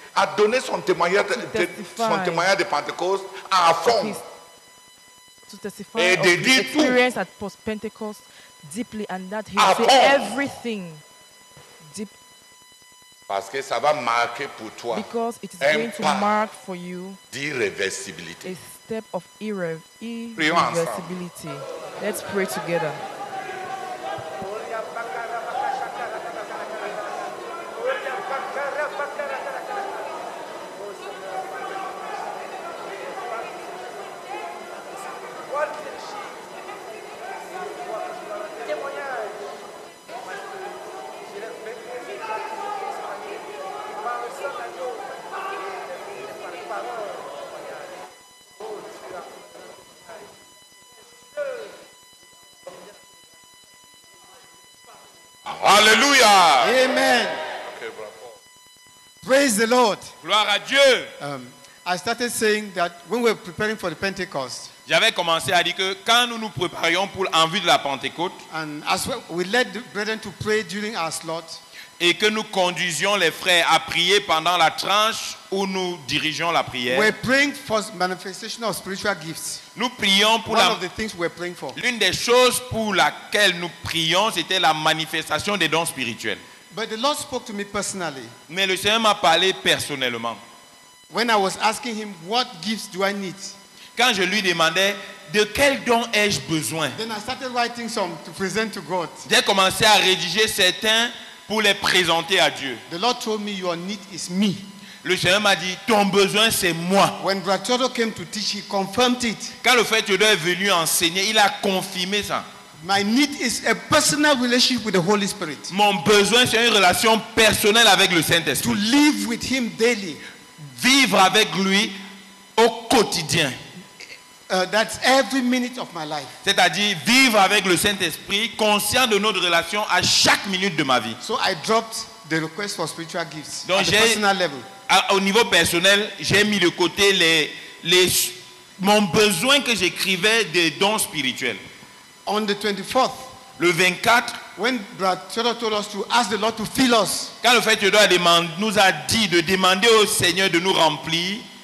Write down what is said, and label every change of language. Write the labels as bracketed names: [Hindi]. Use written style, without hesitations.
[French] à donner son témoignage, son témoignage de Pentecôte à fond. [English] To testify of his experience at post-Pentecost deeply, and that he said everything deep. [French] Parce que ça va marquer pour toi. [English] Because it is going to mark for you [French] d'irreversibilité. [English] A step of irreversibility. Let's pray together. Hallelujah. Amen. Okay, bravo. Praise the Lord. [French] Gloire à Dieu. [English] I started saying that when we were preparing for the Pentecost. [French] J'avais commencé à dire que quand nous nous préparions pour en vue de la Pentecôte. [English] And as we led the brethren to pray during our slot. [French] Et que nous conduisions les frères à prier pendant la tranche où nous dirigeons la prière. [English] We're praying for manifestation of spiritual gifts. [French] Nous prions pour [English] one of the things we're praying for. [French] L'une des choses pour laquelle nous prions, c'était la manifestation des dons spirituels. [English] But the Lord spoke to me personally. [French] Mais le Seigneur m'a parlé personnellement. [English] When I was asking him, what gifts do I need? [French] Quand je lui demandais, de quel don ai-je besoin? [English] Then I started writing some to present to God. [French] J'ai commencé à rédiger certains pour les présenter à Dieu. [English] The Lord told me your need is me. [French] Le Seigneur m'a dit, ton besoin c'est moi. [English] When Brother came to teach, he confirmed it. [French] Quand le frère Théodore est venu enseigner, il a confirmé ça. [English] My need is a personal relationship with the Holy Spirit. [French] Mon besoin c'est une relation personnelle avec le Saint-Esprit. [English] To live with him daily. [French] Vivre avec lui au quotidien. [English] That's every minute of my life. [French] C'est-à-dire vivre avec le Saint-Esprit, conscient de notre relation à chaque minute de ma vie. [English] So I dropped the request for spiritual gifts. [French] Donc [English] at the personal level. [French] Au niveau personnel, j'ai mis de côté mon besoin que j'écrivais des dons spirituels. [English] On the 24th, [French] le 24, [English] when Brad Theodore told us to ask the Lord to fill us, [French] quand le frère Theodore nous a dit de demander au Seigneur de nous remplir.